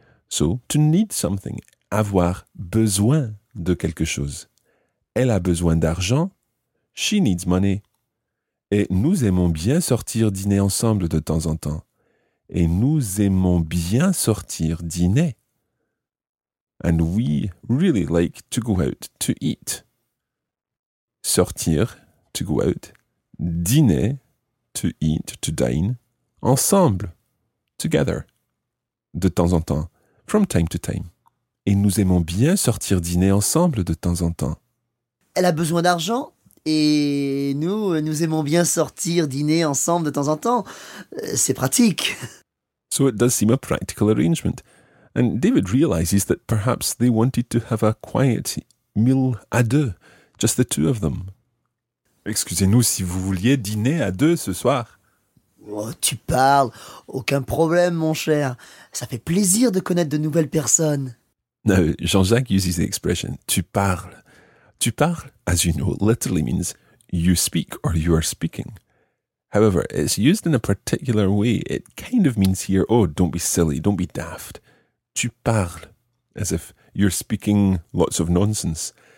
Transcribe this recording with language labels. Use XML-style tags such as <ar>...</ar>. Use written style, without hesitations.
<en>So, to need something,</en> <fr>avoir besoin de quelque chose. Elle a besoin d'argent,</fr> <en>she needs money.</en> <fr>Et nous aimons bien sortir dîner ensemble de temps en temps. Et nous aimons bien sortir dîner.</fr> <en>And we really like to go out to eat. Sortir, to go out. Dîner, to eat, to dine, ensemble, together, de temps en temps, from time to time.</en> <fr>Et nous aimons bien sortir dîner ensemble de temps en temps. Elle a besoin d'argent, et nous, nous aimons bien sortir dîner ensemble de temps en temps. C'est pratique.</fr> <en>So it does seem a practical arrangement. And David realizes that perhaps they wanted to have a quiet meal</en> <fr>à deux,</fr> <en>just the two of them.</en> <fr>Excusez-nous si vous vouliez dîner à deux ce soir. Oh, tu parles. Aucun problème, mon cher. Ça fait plaisir de connaître de nouvelles personnes.</fr> <en>Now, Jean-Jacques uses the expression,</en> <fr>tu parles.</fr> <en>Tu parles, as you know, literally means you speak or you are speaking. However, it's used in a particular way. It kind of means here, oh, don't be silly, don't be daft. Tu parles, as if you're speaking lots of nonsense.</en>